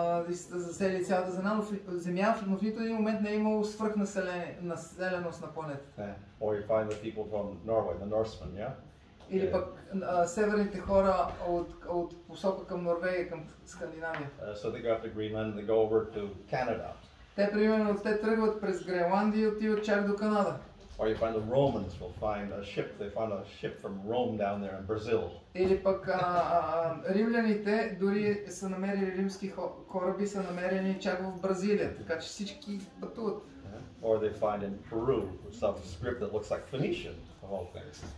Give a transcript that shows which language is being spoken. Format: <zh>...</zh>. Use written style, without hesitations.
<bg>И са засели цялата земя, но в нито един момент не е имало свръхнаселеност на планетата.</bg> <en>Yeah. Or you find the people from Norway, the Norsemen, yeah?</en> <bg>Или пък северните хора от посока към Норвегия, към Скандинавия.</bg> <en>So they go up to Greenland, they go over to Canada.</en> <bg>Те, примерно, те тръгват през Гренландия и отиват чак до Канада.</bg> <en>Or you find the Romans will find a ship, they found a ship from Rome down there in Brazil.</en> <bg>Или пък римляните дори са намерили римски кораби, са намерени чак в Бразилия, така че всички пътуват.</bg> <en>Or they find in Peru some script that looks like Phoenician of all things.</en>